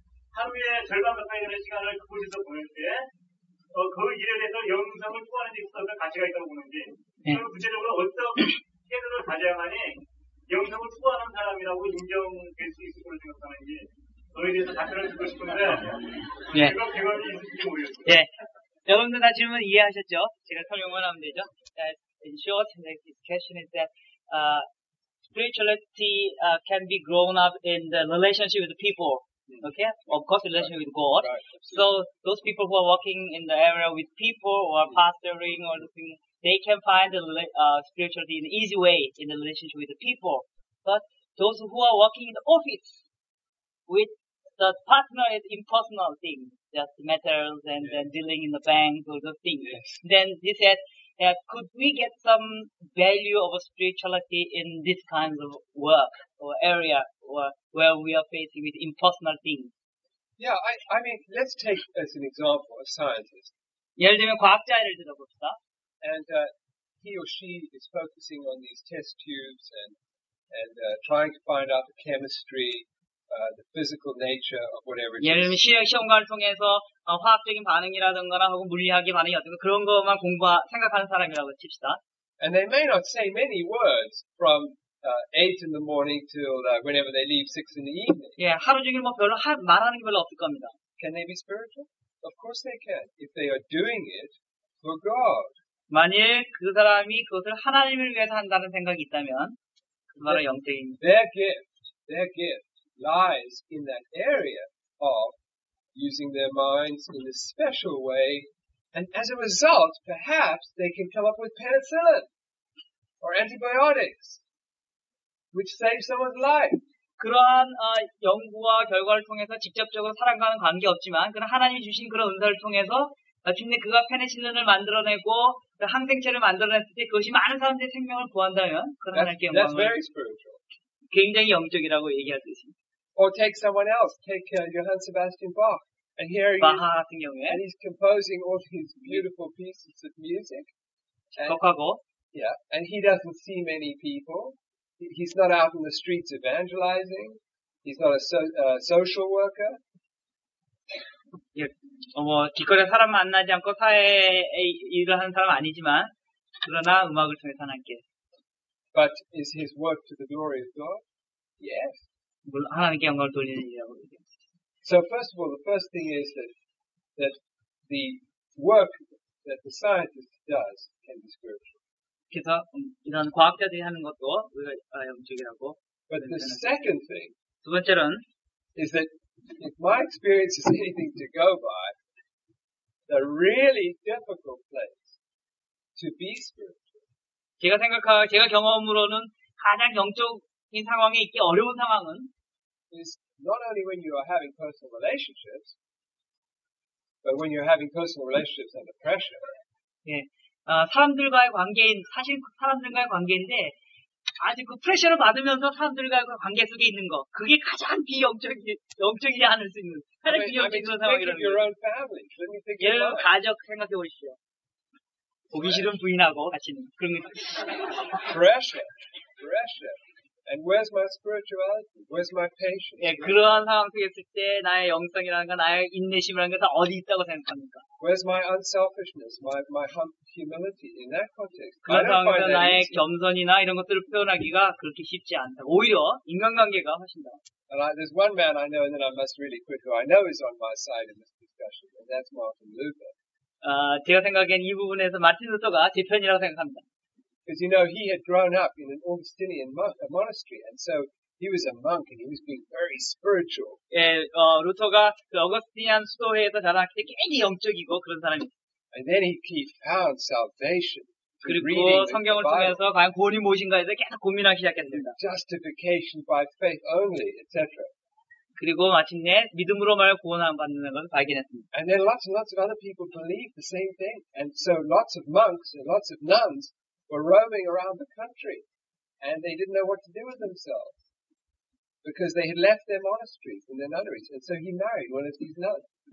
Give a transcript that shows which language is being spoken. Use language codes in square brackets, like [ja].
[ko] 하루에 절반 가까이 되는 시간을 그곳에서 보낼 때 그 일에 대해서 영성을 추구하는 데 있어서 가치가 있다고 보는지 그럼 구체적으로 어떤 태도를 가져야만이 영성을 추구하는 사람이라고 인정될 수 있을 거라고 생각하는지 저희에 대해서 답변을 듣고 싶은데, 네. 예. 여러분들 다 질문 이해하셨죠? 제가 설명만 하면 되죠? [en] In short, the question is that, spirituality, can be grown up in the relationship with the people. Okay? Of course, relationship with God. So, those people who are working in the area with people or pastoring or something, they can find the, spirituality in an easy way in the relationship with the people. But, those who are working in the office, with the partner is impersonal thing, just metals and then dealing in the bank or those things. Yes. Then he said, yeah, could we get some value of spirituality in this kind of work or area or where we are facing with impersonal things? Yeah, I mean, let's take as an example a scientist. [ko] 예를 들면 과학자를 들어봅시다. [en] And he or she is focusing on these test tubes and trying to find out the chemistry the physical nature of whatever it is. [ko] 예를 들면 시험관을 통해서 화학적인 반응이라든가 혹은 물리학의 반응이 어떤가 그런 것만 공부하 생각하는 사람이라고 칩시다. [en] And they may not say many words from 8 in the morning till whenever they leave 6 in the evening. [ko] 예, 하루 종일 뭐 별로 말하는 게 별로 없을 겁니다. [en] Can they be spiritual? Of course they can. If they are doing it for God. [ko] 만일 그 사람이 그것을 하나님을 위해서 한다는 생각이 있다면 그 말은 영적입니다. [en] Their gift. Lies in that area of using their minds in a special way, and as a result, perhaps they can come up with penicillin or antibiotics, which save someone's life. [ko] 그러한 연구와 결과를 통해서 직접적으로 사람과는 관계 없지만, 그런 하나님이 주신 그런 은사를 통해서 마침내 그가 페니실린을 만들어내고 항생제를 만들어냈을 때 그것이 많은 사람들의 생명을 구한다면 그런 하나님께 영광을. [en] That's very spiritual. [ko] 굉장히 영적이라고 얘기할 수 있습니다. [en] Or take someone else, take Johann Sebastian Bach. And here he is. And he's composing all these beautiful pieces of music. And he doesn't see many people. He's not out in the streets evangelizing. He's not a social worker. [ko] 예, 뭐, 길거리에 사람 만나지 않고 사회에 일을 하는 사람 아니지만, 그러나 음악을 통해서 하나님께. [en] But is his work to the glory of God? Yes. [ko] 하나님께 영광을 돌리는 일이라고 얘기합니다. [en] So first of all, the first thing is that the work that the scientist does can be spiritual. [ko] 그래서 이런 과학자들이 하는 것도 영적이라고. [en] But the second thing [ko] 두 번째는 [en] is that if my experience is anything to go by, the really difficult place to be spiritual. [ko] 제가 생각하고 제가 경험으로는 가장 영적인 상황에 있기 어려운 상황은 [en] is not only when you are having personal relationships, but when you are having personal relationships under pressure. [ko] 예, 어, 사람들과의 관계인 사실 사람들과의 관계인데 아주 그 프레셔를 받으면서 사람들과의 관계 속에 있는 거 그게 가장 비영적이지 않을 수 있는 가장 비영적인 상황이라는 거예요. 예를 가족 생각해 보시죠. 보기 싫은 부인하고 같이 있는 그런 거. [en] Pressure. And where's my spirituality? Where's my patience? [ko] 예, 그러한 상황 속에 있을 때 나의 영성이라는 거, 나의 인내심이라는 게 다 어디 있다고 생각합니까? [en] Where's my unselfishness? My humility in that context? [ko] 그런 상황에서 나의 겸손이나 이런 것들을 표현하기가 그렇게 쉽지 않다. 오히려 인간관계가 훨씬 더. [en] And there's one man I know that I must really quit who I know is on my side in this discussion, and that's Martin Luther. [ko] 제가 생각엔 이 부분에서 마틴 루터가 제 편이라고 생각합니다. [en] Because you know he had grown up in an Augustinian monastery, and so he was a monk, and he was being very spiritual. [ko] 예, 루터가 그 어거스틴 수도회에서 자랐기 때문에 굉장히 영적이고 그런 사람이. [en] And then he found salvation. [ko] 그리고 성경을 통해서 과연 구원이 무엇인가에 대해 계속 고민하기 시작했습니다. [en] Justification by faith only, etc. [ko] 그리고 마침내 믿음으로 말 구원함 받는 것을 발견했습니다. [en] And then lots and lots of other people believe the same thing, and so lots of monks and lots of nuns. Were roaming around the country, and they didn't know what to do with themselves because they had left their monasteries and their nunneries. And so he married one of these nuns.